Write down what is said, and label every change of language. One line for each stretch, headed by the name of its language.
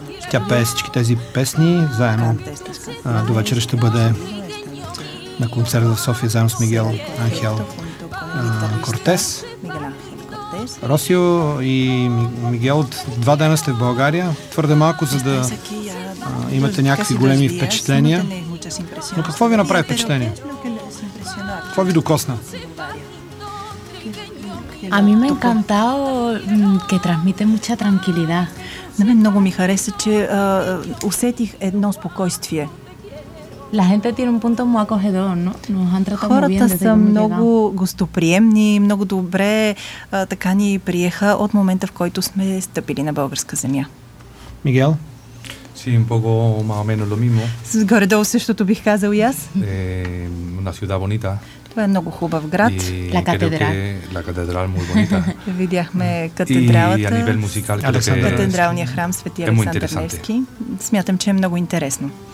Bulgarian: Тя пее всички тези песни заедно. До вечера ще бъде на концерт в София заедно с Мигел Анхел Кортес. Росио и Мигел, от два дена сте в България. Твърде малко, за да имате някакви големи впечатления. Но какво ви направи впечатление? Какво ви докосна?
Spanish: A mí me ha encantado que transmite mucha tranquilidad.
Bulgarian: Много ми хареса, че усетих едно спокойствие.
Spanish: La gente tiene un punto muy acogedor, ¿no? Nos han tratado bien.
Bulgarian: Хората са много гостоприемни, много добре така ни приеха от момента, в който сме стъпили на българска земя. Мигел?
Spanish: Sí, un poco más o menos lo mismo.
Bulgarian: Горе-долу същото бих казал и аз.
Spanish: Una ciudad bonita.
Bulgarian: Това е много хубав град.
Spanish: La catedral. La catedral, muy bonita.
Bulgarian: Видяхме катедралата.
Spanish: И a nivel musical,
Bulgarian: катедралния храм Свети Александър Невски. Смятам, че е много интересно.